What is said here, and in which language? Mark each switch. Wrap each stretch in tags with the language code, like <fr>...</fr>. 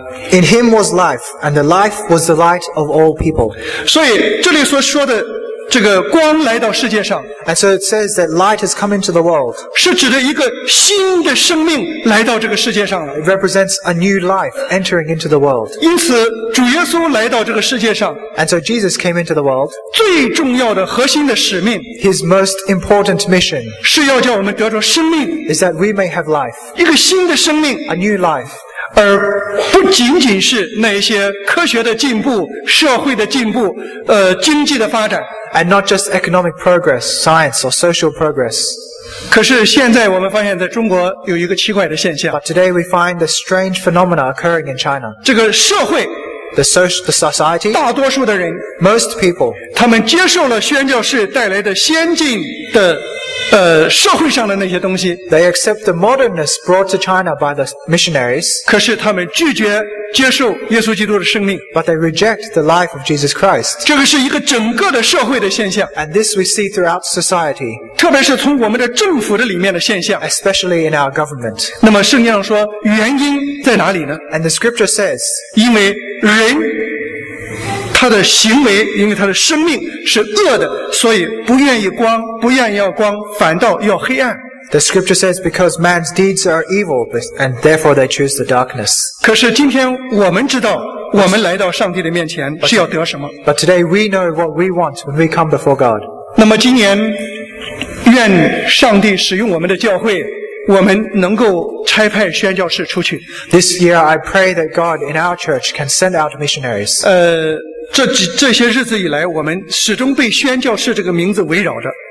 <en>In him was life, and the life was the light of all people.</en> <zh>所以这里所说的这个光来到世界上</zh> <en>，and so it says that light has come into the world.</en> <zh>是指的一个新的生命来到这个世界上了。</zh> <en>It represents a new life entering into the world.</en> <zh>因此，主耶稣来到这个世界上</zh> <en>，and so Jesus came into the world.</en> <zh>最重要的核心的使命</zh> <en>，his most important mission</en> <zh>是要叫我们得着生命</zh> <en>，is that we may have life.</en> <zh>一个新的生命</zh> <en>，a new life.</en> <zh>而不仅仅是那些科学的进步、社会的进步、经济的发展。</zh> <en>And not just economic progress, science or social progress.</en> <zh>可是现在我们发现在中国有一个奇怪的现象。</zh> <en>But today we find a strange phenomena occurring in China.</en> <zh>这个社会</zh> <en>the society,</en> <zh>大多数的人</zh> <en>most people,</en> <zh>他们接受了宣教士带来的先进的社会上的那些东西</zh> <en>They accept the modernness brought to China by the missionaries</en> <zh>可是他们拒绝接受耶稣基督的生命</zh> <en>But they reject the life of Jesus Christ</en> <zh>这个是一个整个的社会的现象</zh> <en>And this we see throughout society</en> <zh>特别是从我们的政府的里面的现象</zh> <en>Especially in our government</en> <zh>那么圣经上说原因在哪里呢</zh> <en>And the scripture says</en> <zh>因为人他的行为因为他的生命是恶的所以不愿意光不愿意要光反倒要黑暗</zh> <en>The scripture says because man's deeds are evil and therefore they choose the darkness</en> <zh>可是今天我们知道我们来到上帝的面前是要得什么</zh> <en>But today we know what we want when we come before God</en> <zh>那么今年愿上帝使用我们的教会我们能够差派宣教士出去</zh> <en>This year I pray that God in our church can send out missionaries</en> <zh>这些日子以来我们始终被宣教士这个名字围绕着</zh>